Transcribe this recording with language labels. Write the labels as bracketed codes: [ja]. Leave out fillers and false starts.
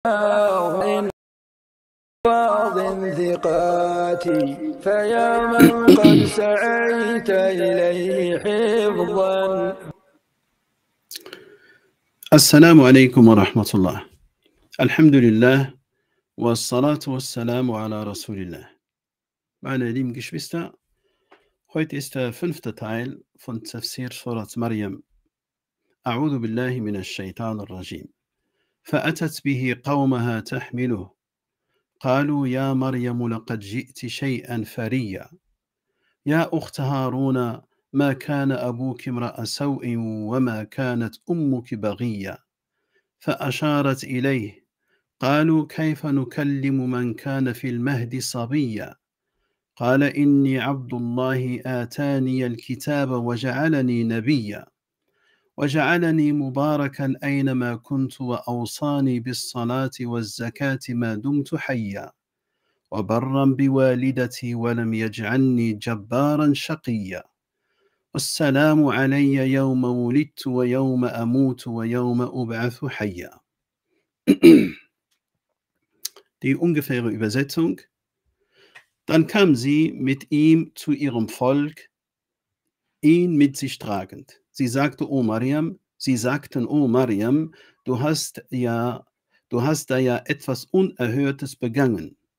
[ar] أغنى بعض ثقاتي، فيا من قد سعيت إليه حفظا. السلام عليكم ورحمة الله. الحمد لله والصلاة والسلام على رسول الله. [de] Meine lieben Geschwister, heute ist der fünfte Teil von Tafsir Surat Maryam. [ar] أعوذ بالله من الشيطان الرجيم. فأتت به قومها تحمله. قالوا يا مريم لقد جئت شيئا فريا. يا أخت هارون ما كان أبوك امرأ سوء وما كانت أمك بغية. فأشارت إليه قالوا كيف نكلم من كان في المهد صبيا. قال إني عبد الله آتاني الكتاب وجعلني نبيا وجعلني مباركا أينما كنت وأوصاني بالصلاة والزكاة ما دمت حيا وبرا بوالدتي ولم يجعلني جبارا شقيا. والسلام علي يوم ولدت ويوم أموت ويوم أبعث حيا. [de] Die ungefähre Übersetzung: Dann kam sie mit ihm zu ihrem Volk, ihn mit sich tragend. Sie sagte, O Mariam, sie sagten, O Mariam, du hast da ja etwas Unerhörtes begangen.